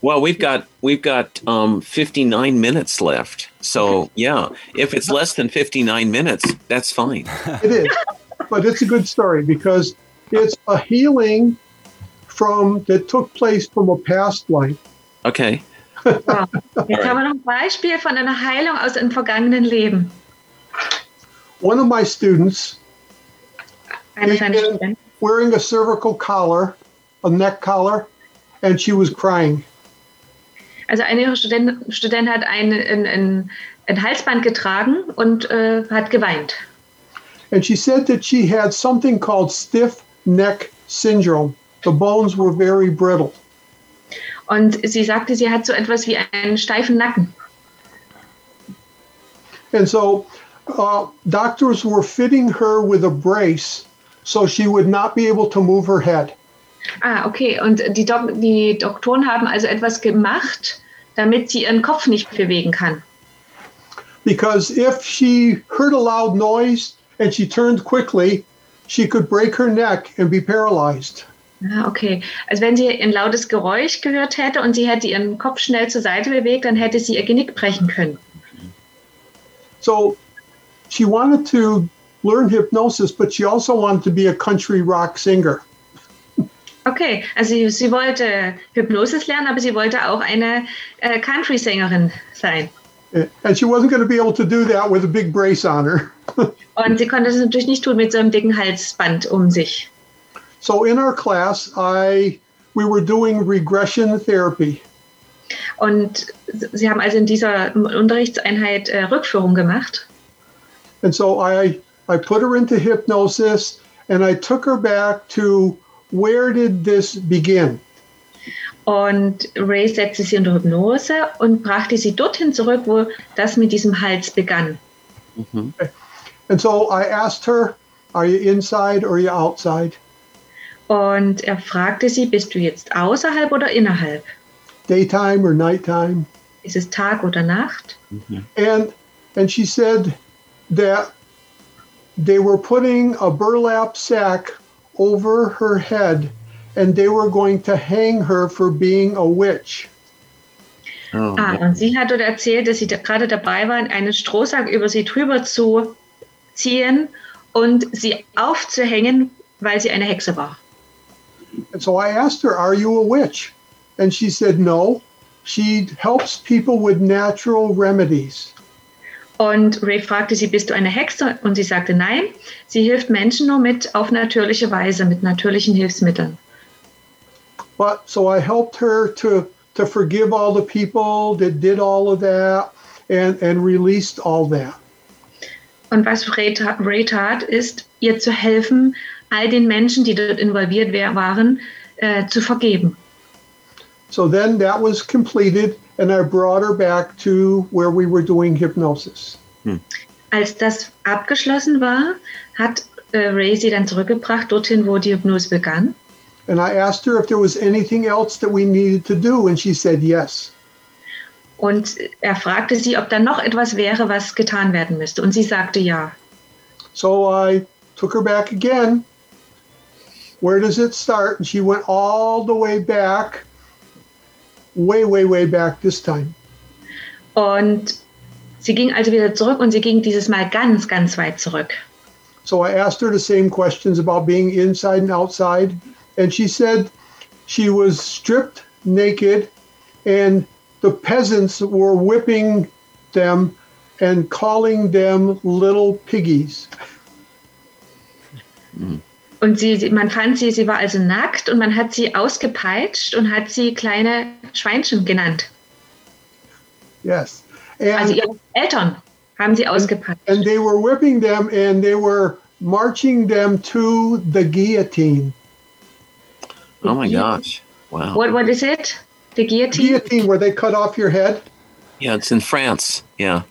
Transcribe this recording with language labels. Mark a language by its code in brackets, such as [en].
[en] Well, we've got 59 minutes left. So, yeah, if it's less than 59 minutes, that's fine. It is. But it's a good story because it's a healing that took place from a past life. Okay. [de] Jetzt haben wir noch ein Beispiel von einer Heilung aus einem vergangenen Leben. [en] One of my students, wearing a cervical collar, a neck collar, and she was crying. [de] Also eine ihrer Studenten hat ein Halsband getragen und hat geweint. [en] And she said that she had something called stiff neck syndrome. The bones were very brittle. [de] Und sie sagte, sie hat so etwas wie einen steifen Nacken. [en] And so doctors were fitting her with a brace so she would not be able to move her head. Ah, okay. [de] Und die Doktoren haben also etwas gemacht, damit sie ihren Kopf nicht bewegen kann. [en] Because if she heard a loud noise and she turned quickly, she could break her neck and be paralyzed. Ah, okay. [de] Also wenn sie ein lautes Geräusch gehört hätte und sie hätte ihren Kopf schnell zur Seite bewegt, dann hätte sie ihr Genick brechen können. [en] So, she wanted to learn hypnosis, but she also wanted to be a country rock singer. [de] Okay, also sie wollte Hypnosis lernen, aber sie wollte auch eine Country-Sängerin sein. [en] And she wasn't going to be able to do that with a big brace on her. [de] Und sie konnte es natürlich nicht tun mit so einem dicken Halsband um sich. [en] So in our class, we were doing regression therapy. [de] Und sie haben also in dieser Unterrichtseinheit Rückführung gemacht. [en] And so I put her into hypnosis and I took her back to where did this begin? [de] Und Ray setzte sie unter Hypnose und brachte sie dorthin zurück, wo das mit diesem Hals begann. [en] Okay. And so I asked her, are you inside or are you outside? [de] Und fragte sie, bist du jetzt außerhalb oder innerhalb? [en] Daytime or nighttime? [de] Ist es Tag oder Nacht? Mm-hmm. [en] And she said that they were putting a burlap sack over her head and they were going to hang her for being a witch. [de] Oh, ah, und sie hat dort erzählt, dass sie gerade dabei waren, einen Strohsack über sie drüber zu ziehen und sie aufzuhängen, weil sie eine Hexe war. [en] And so I asked her, are you a witch? And she said, no, she helps people with natural remedies. [de] Und Ray fragte sie, bist du eine Hexe? Und sie sagte, nein, sie hilft Menschen nur mit auf natürliche Weise, mit natürlichen Hilfsmitteln. [en] But so I helped her to forgive all the people that did all of that and released all that. [de] Und was Ray tat, ist, ihr zu helfen, all den Menschen, die dort involviert waren, zu vergeben. [en] So then that was completed and I brought her back to where we were doing hypnosis. [de] Als das abgeschlossen war, hat Ray sie dann zurückgebracht dorthin, wo die Hypnose begann. [en] And I asked her if there was anything else that we needed to do and she said yes. [de] Und fragte sie, ob da noch etwas wäre, was getan werden müsste und sie sagte ja. [en] So I took her back again. Where does it start? And she went all the way back. Way, way, way back this time. [de] Und sie ging also wieder zurück und sie ging dieses Mal ganz, ganz weit zurück. [en] So I asked her the same questions about being inside and outside. And she said she was stripped naked and the peasants were whipping them and calling them little piggies. [de] Und sie war also nackt und man hat sie ausgepeitscht und hat sie kleine Schweinchen genannt. [en] Yes. [de] And also ihre Eltern haben sie ausgepeitscht. [en] And they were whipping them and they were marching them to the guillotine. Oh my gosh. Wow. What is it? The guillotine? Guillotine, where they cut off your head? Yeah, it's in France. Yeah.